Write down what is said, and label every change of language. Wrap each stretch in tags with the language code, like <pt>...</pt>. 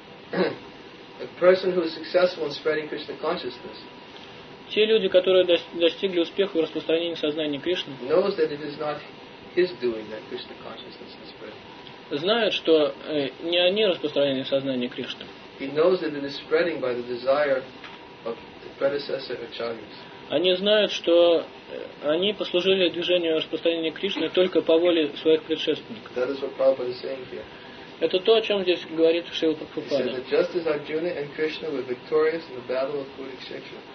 <en>A person who is successful in spreading Krishna consciousness.</en> <ru>Те люди, которые достигли успеха в распространении сознания Кришны,</ru> <en>knows that it is not his doing that Krishna consciousness is spread.</en> <ru>Знают, что не они распространяли сознание Кришны.</ru> <en>He knows that it is spreading by the desire of the predecessor Acharyas.</en> <ru>Они знают, что они послужили движению распространения Кришны только по воле своих предшественников.</ru> <en>That is what Prabhupada is saying here.</en> <ru>Это то, о чем здесь говорит Шрила Прабхупада.</ru> <en>He says that just as Arjuna and Krishna were victorious in the battle of Kurukshetra.</en>